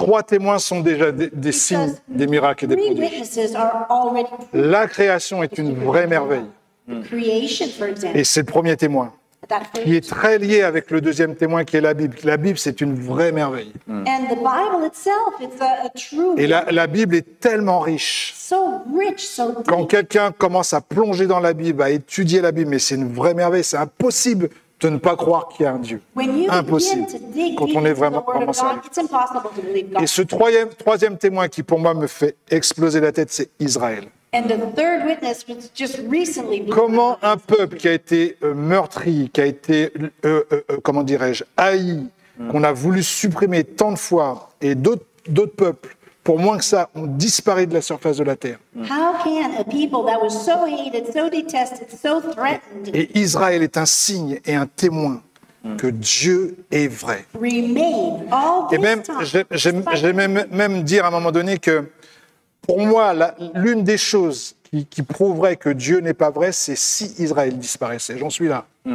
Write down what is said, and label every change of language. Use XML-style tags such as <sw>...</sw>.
<fr>Ces trois témoins sont déjà des signes, des miracles et des prodiges.</fr> <en>Three witnesses are already proof.</en> <fr>La création est une vraie merveille.</fr> <en>Creation, for example.</en> <fr>Et c'est le premier témoin. Qui est très lié avec le deuxième témoin qui est la Bible. La Bible, c'est une vraie merveille.</fr> <en>And the Bible itself, it's a true.</en> <fr>Et la Bible est tellement riche.</fr> <en>So rich, so deep.</en> <fr>Quand quelqu'un commence à plonger dans la Bible, à étudier la Bible, mais c'est une vraie merveille, c'est impossible de ne pas croire qu'il y a un Dieu. Impossible. Quand on est vraiment sérieux. Et ce troisième témoin qui, pour moi, me fait exploser la tête, c'est Israël.</fr> <en>And the third witness was just recently.</en> <fr>Comment un peuple qui a été meurtri, qui a été comment dirais-je, haï, qu'on a voulu supprimer tant de fois, et d'autres peuples, pour moins que ça, ont disparu de la surface de la terre.</fr> <en>How can a people that was so hated, so detested, so threatened?</en> <fr>Et Israël est un signe et un témoin que Dieu est vrai.</fr> <en>Remain all this time.</en> <fr>Et même, j'aime même dire à un moment donné que. Pour moi, l'une des choses qui prouverait que Dieu n'est pas vrai, c'est si Israël disparaissait. J'en suis là.</fr>